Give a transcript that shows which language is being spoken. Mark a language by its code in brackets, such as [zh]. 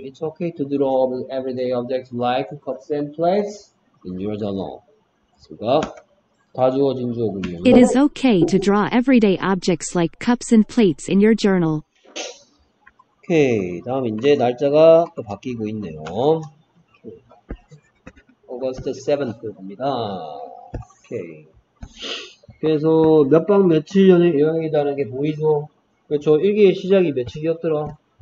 [en] It's okay to draw everyday objects like cups and plates in your journal. [ko] 그러니까 다 주어진 주어군요. [en] It is okay to draw everyday objects like cups and plates in your journal. [ko] 오케이. 다음 이제 날짜가 또 바뀌고 있네요. 오거스트 7th 갑니다. 오케이. 그래서 몇박 며칠 전에 여행이라는 게 보이죠? 그렇죠. 일기의 시작이 며칠이었더라?